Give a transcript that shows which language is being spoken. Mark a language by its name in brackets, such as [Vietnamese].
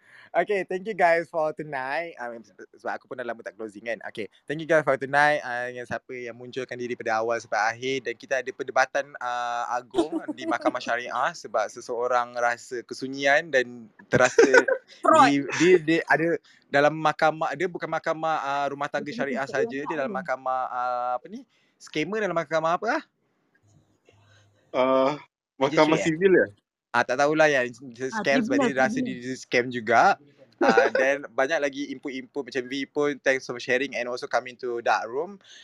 [English] Okay, thank you guys for tonight. [Malay] Sebab aku pun dah lama tak closing kan. [English] Okay, thank you guys for tonight. [Malay] Yang siapa yang munculkan diri pada awal sampai akhir. Dan kita ada perdebatan agung di Mahkamah Syariah. Sebab seseorang rasa kesunyian dan terasa dia ada dalam mahkamah. Dia bukan mahkamah rumah tangga syariah saja. Dia dalam mahkamah skema dalam mahkamah apa lah? Mahkamah sivil ya? Tak tahulah yang scam sebab dia rasa dia scam juga. Then banyak lagi input-input macam V pun, [English] thanks for sharing and also coming to Dark Room.